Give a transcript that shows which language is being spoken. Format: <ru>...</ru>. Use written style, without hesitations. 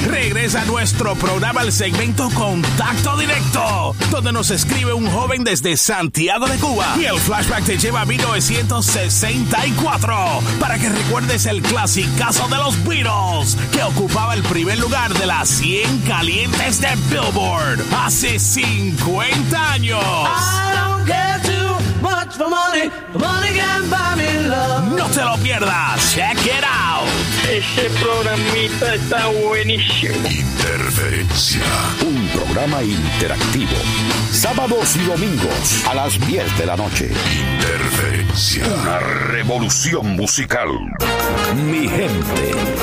<es>Regresa a nuestro programa el segmento Contacto Directo, donde nos escribe un joven desde Santiago de Cuba, y el flashback te lleva a 1964 para que recuerdes el clasicazo de los Beatles, que ocupaba el primer lugar de las 100 calientes de Billboard hace 50 años.</es> <en>I don't care too much for money. Money can buy me love.</en> <es>No te lo pierdas.</es> <en>Check it out.</en> <es>Ese programita está buenísimo. Interferencia. Un programa interactivo. Sábados y domingos a las 10 de la noche. Interferencia. Una revolución musical. Mi gente.</es>